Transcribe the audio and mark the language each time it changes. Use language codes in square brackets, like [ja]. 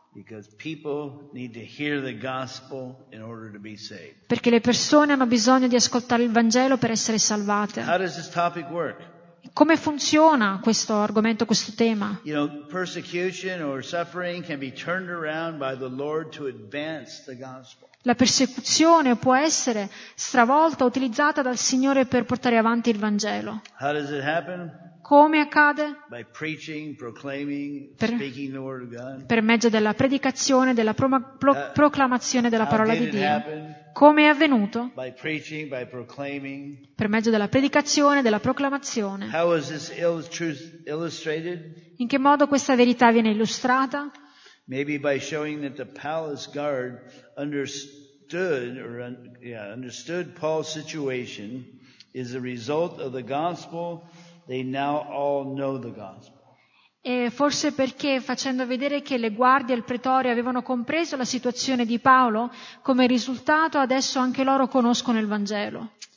[en] Because people need to hear the gospel in order to be saved. [it] Perché le persone hanno bisogno di ascoltare il Vangelo per essere salvate. [en] How does this topic work? [it] Come funziona questo argomento, questo tema? [en] You know, persecution or suffering can be turned around by the Lord to advance the gospel. [it] La persecuzione può essere stravolta, utilizzata dal Signore per portare avanti il Vangelo. [en] How does it happen? [it] Come accade? [en] By preaching, proclaiming, speaking the word of God. [it] Per mezzo della predicazione, della proclamazione della parola di Dio. [en] Happen? [it] Come è avvenuto? [en] By preaching, by proclaiming. [it] Per mezzo della predicazione, della proclamazione. [en] How is this illustrated? [it] In che modo questa verità viene illustrata? [en] Maybe by showing that the palace guard understood Paul's situation is a result of the gospel. They now all know the gospel. [it] E forse perché facendo vedere che le guardie al pretorio avevano compreso la situazione di Paolo, come risultato adesso anche loro conoscono il Vangelo.